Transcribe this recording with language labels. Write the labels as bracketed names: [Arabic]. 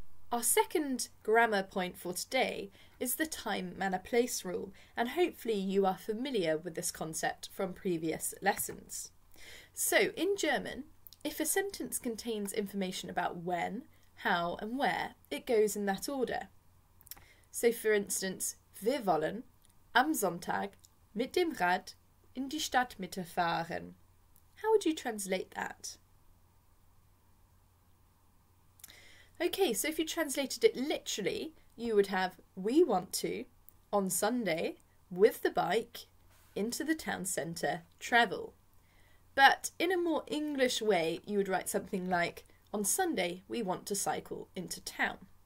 [English] Our second grammar point for today is the time, manner, place rule, and hopefully you are familiar with this concept from previous lessons. So, in German, if a sentence contains information about when, how, and where, it goes in that order. So, for instance, [German] wir wollen am Sonntag mit dem Rad in die Stadt Mitte fahren. [English] How would you translate that? Okay, so if you translated it literally, you would have we want to on Sunday with the bike into the town centre travel. But in a more English way, you would write something like on Sunday we want to cycle into town.